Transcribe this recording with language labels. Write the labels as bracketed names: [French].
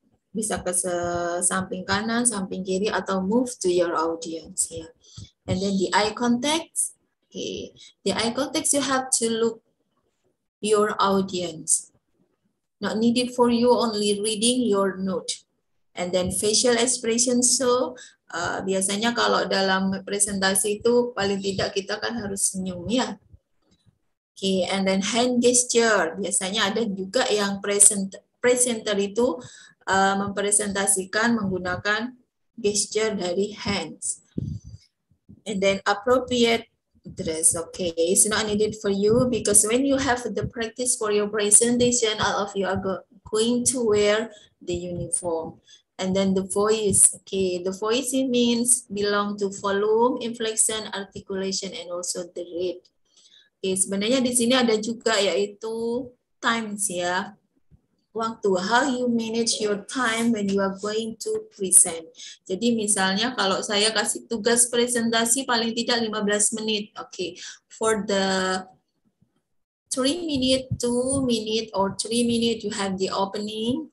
[Indonesian] Bisa ke samping kanan, samping kiri, atau [English] move to your audience here. Yeah. And then the eye contact. Okay. The eye contact, you have to look your audience. Not needed for you only reading your note. And then facial expression. [Indonesian] So, biasanya kalau dalam presentasi itu, paling tidak kita kan harus senyum ya. [English] Yeah. Okay. And then hand gesture. [Indonesian] Biasanya ada juga yang presenter itu mempresentasikan menggunakan gesture dari hands. [English] And then appropriate dress, okay. It's not needed for you because when you have the practice for your presentation, all of you are going to wear the uniform. And then the voice, okay. The voice, it means belong to volume, inflection, articulation, and also the rate. [Indonesian] Okay, sebenarnya di sini ada juga yaitu times ya. [English] Waktu, how you manage your time when you are going to present. [Indonesian] Jadi misalnya kalau saya kasih tugas presentasi paling tidak 15 menit. [English] Okay. For the 3 minute, 2 minute, or 3 minute you have the opening.